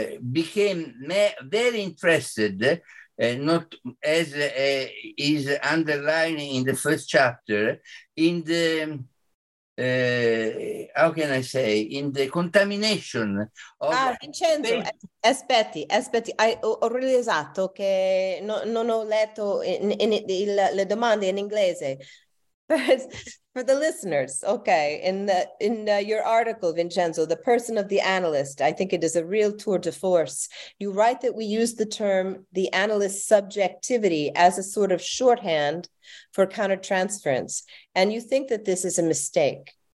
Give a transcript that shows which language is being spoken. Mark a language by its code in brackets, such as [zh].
[en] became very interested, not as is underlined in the first chapter, in the, how can I say, in the contamination of... [it] Ah, Vincenzo, aspetti, ho realizzato che non ho letto le domande in inglese. [en] For the listeners, okay, in your article, Vincenzo, the person of the analyst, I think it is a real tour de force. You write that we use the term the analyst subjectivity as a sort of shorthand for countertransference, and you think that this is a mistake.